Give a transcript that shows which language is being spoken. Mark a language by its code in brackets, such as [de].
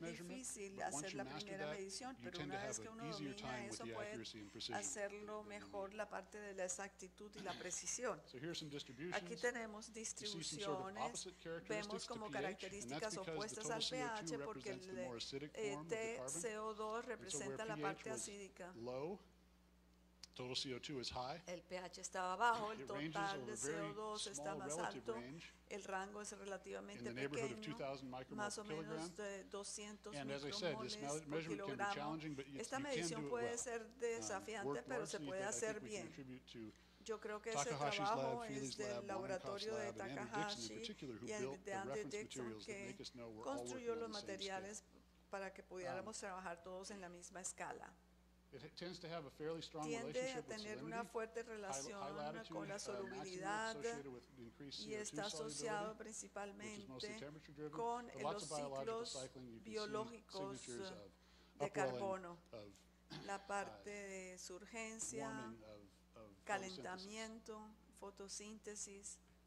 [en] measurement, but once you master that, you tend to have an easier time with the accuracy and precision. So here are some distributions. [es] Aquí tenemos distribuciones. Vemos como características opuestas al pH, porque el TCO2 representa la parte acídica. [en] Total CO2 is high. [es] El pH estaba bajo, el total de CO2 está más alto, el rango es relativamente pequeño, más o menos de 200 micromoles por kilogramo. Esta medición puede ser desafiante, pero se puede hacer bien. Yo creo que ese trabajo es del laboratorio de Takahashi y de Andy Dixon, que construyó los materiales para que pudiéramos trabajar todos en la misma escala. [en] It tends to have a fairly strong relationship with salinity. [es] Tiende a tener una fuerte relación con la solubilidad y está asociado principalmente con los ciclos biológicos de carbono. La parte de surgencia, calentamiento, fotosíntesis.